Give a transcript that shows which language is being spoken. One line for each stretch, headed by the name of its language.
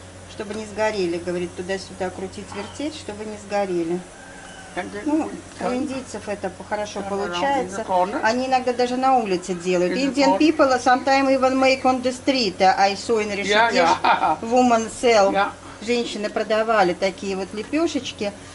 Russian: Чтобы не сгорели, говорит, туда-сюда крутить, вертеть, чтобы не сгорели. Ну, у индийцев это хорошо получается. Они иногда даже на улице делают.
English: Indian people sometimes even make on the street. I saw in Rishikesh woman sell.
Russian: Женщины продавали такие вот лепешечки.